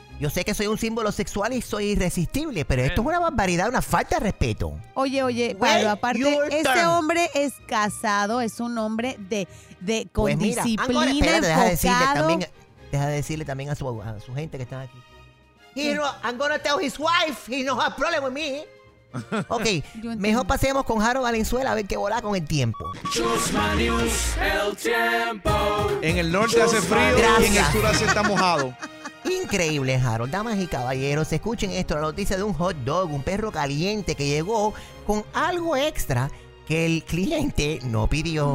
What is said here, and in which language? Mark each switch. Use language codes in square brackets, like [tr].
[es] Yo sé que soy un símbolo sexual y soy irresistible, pero esto es una barbaridad, una falta de respeto. Oye, bueno, aparte, este hombre es casado, es un hombre con disciplina. Deja de decirle también a su gente que está aquí. [en] I'm gonna tell his wife he no has problem with me. [es] Ok, mejor pasemos con Harold Valenzuela a ver qué volá con el tiempo. Chusma News, el tiempo. En el norte hace frío. Gracias. Y en el sur hace está mojado. Increíble, Harold. Damas y caballeros, escuchen esto, la noticia de un hot dog, un perro caliente que llegó con algo extra que el cliente no pidió.